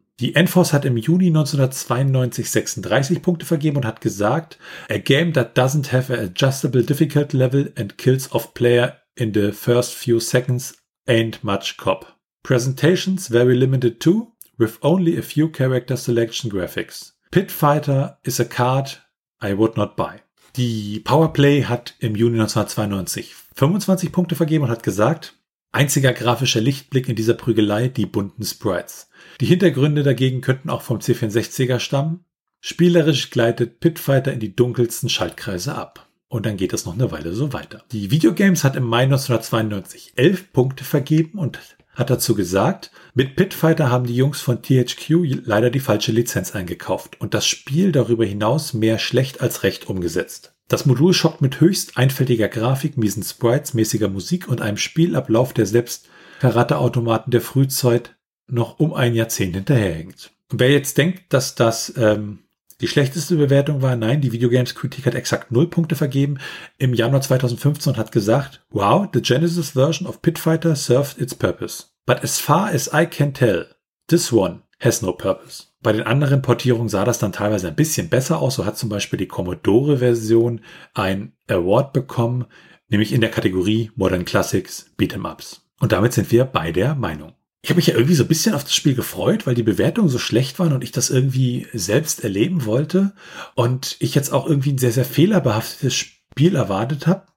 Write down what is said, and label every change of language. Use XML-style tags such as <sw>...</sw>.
<de>Die Enforce hat im Juni 1992 36 Punkte vergeben und hat gesagt,</de> <en>a game that doesn't have an adjustable difficulty level and kills off player in the first few seconds ain't much cop. Presentations very limited too, with only a few character selection graphics. Pit Fighter is a card I would not buy.</en> <de>Die Powerplay hat im Juni 1992 25 Punkte vergeben und hat gesagt, einziger grafischer Lichtblick in dieser Prügelei, die bunten Sprites. Die Hintergründe dagegen könnten auch vom C64er stammen. Spielerisch gleitet Pit Fighter in die dunkelsten Schaltkreise ab. Und dann geht es noch eine Weile so weiter. Die Videogames hat im Mai 1992 11 Punkte vergeben und hat dazu gesagt, mit Pit Fighter haben die Jungs von THQ leider die falsche Lizenz eingekauft und das Spiel darüber hinaus mehr schlecht als recht umgesetzt. Das Modul schockt mit höchst einfältiger Grafik, miesen Sprites, mäßiger Musik und einem Spielablauf, der selbst Karateautomaten der Frühzeit noch um ein Jahrzehnt hinterherhängt. Und wer jetzt denkt, dass das die schlechteste Bewertung war, nein, die Videogames-Kritik hat exakt 0 Punkte vergeben im Januar 2015 und hat gesagt,</de> <en>wow, the Genesis version of Pit Fighter served its purpose. But as far as I can tell, this one has no purpose.</en> <de>Bei den anderen Portierungen sah das dann teilweise ein bisschen besser aus. So hat zum Beispiel die Commodore-Version ein Award bekommen, nämlich in der Kategorie Modern Classics Beat'em Ups. Und damit sind wir bei der Meinung. Ich habe mich ja irgendwie so ein bisschen auf das Spiel gefreut, weil die Bewertungen so schlecht waren und ich das irgendwie selbst erleben wollte und ich jetzt auch irgendwie ein sehr, sehr fehlerbehaftetes Spiel erwartet habe.</de>